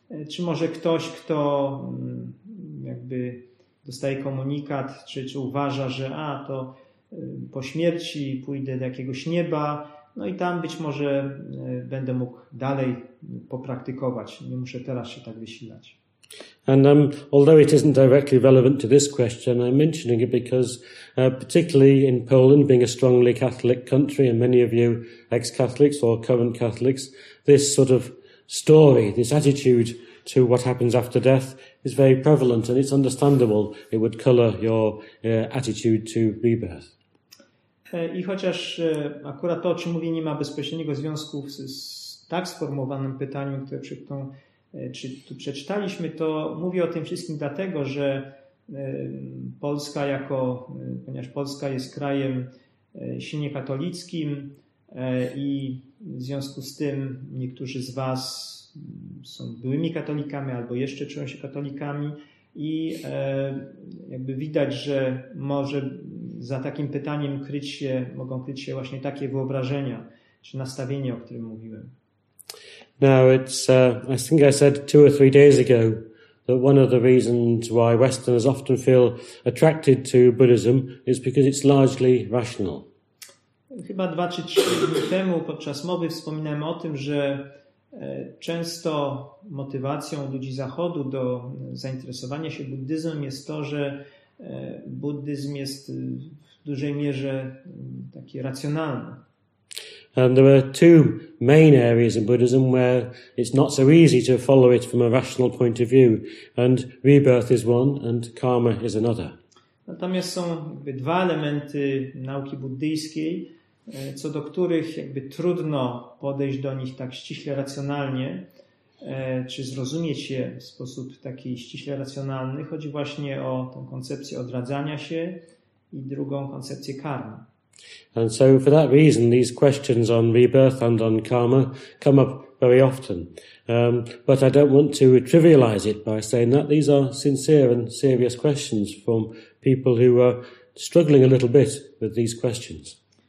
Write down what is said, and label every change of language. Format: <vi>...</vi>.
<pl>Czy może ktoś, kto jakby dostaje komunikat, czy uważa, że to po śmierci pójdę do jakiegoś nieba, no i tam być może będę mógł dalej popraktykować, nie muszę teraz się tak wysilać.</pl> <en>And although it isn't directly relevant to this question, I'm mentioning it because particularly in Poland, being a strongly Catholic country, and many of you ex-Catholics or current Catholics, this sort of story, this attitude to what happens after death is very prevalent, and it's understandable it would color your attitude to rebirth.</en> <pl>I chociaż akurat to, o czym mówię, nie ma bezpośredniego związku z tak sformułowanym pytaniem, które tu przeczytaliśmy, to mówię o tym wszystkim dlatego, że Polska ponieważ Polska jest krajem silnie katolickim, i w związku z tym niektórzy z was są byłymi katolikami albo jeszcze czują się katolikami i jakby widać, że może za takim pytaniem mogą kryć się właśnie takie wyobrażenia czy nastawienie, o którym mówiłem.</pl> <en>Now it's I think I said 2 or 3 days ago that one of the reasons why Westerners often feel attracted to Buddhism is because it's largely rational.</en> <pl>Chyba 2 czy 3 dni temu podczas mowy wspominałem o tym, że często motywacją ludzi Zachodu do zainteresowania się buddyzmem jest to, że buddyzm jest w dużej mierze taki racjonalny.</pl> <en>And there are 2 main areas in Buddhism where it's not so easy to follow it from a rational point of view, and rebirth is one and karma is another.</en> <pl>Natomiast są jakby 2 elementy nauki buddyjskiej, co do których jakby trudno podejść do nich tak ściśle racjonalnie, czy zrozumieć je w sposób taki ściśle racjonalny. Chodzi właśnie o tą koncepcję odradzania się i drugą koncepcję karmy.</pl> <en>And so for that reason these questions on rebirth and on karma come up very often. But I don't want to trivialize it by saying that these are sincere and serious questions from people who are struggling a little bit with these questions.</en>